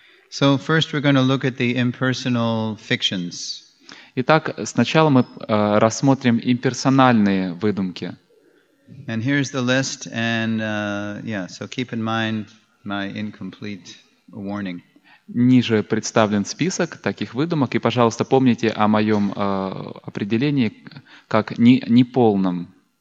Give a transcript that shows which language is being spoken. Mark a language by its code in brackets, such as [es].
[en] So first we're going to look at the impersonal fictions. [ru] Итак, сначала мы рассмотрим имперсональные выдумки. [en] And here's the list, and so keep in mind my incomplete warning. [ru] Ниже представлен список таких выдумок, и, пожалуйста, помните о моем определении как неполном.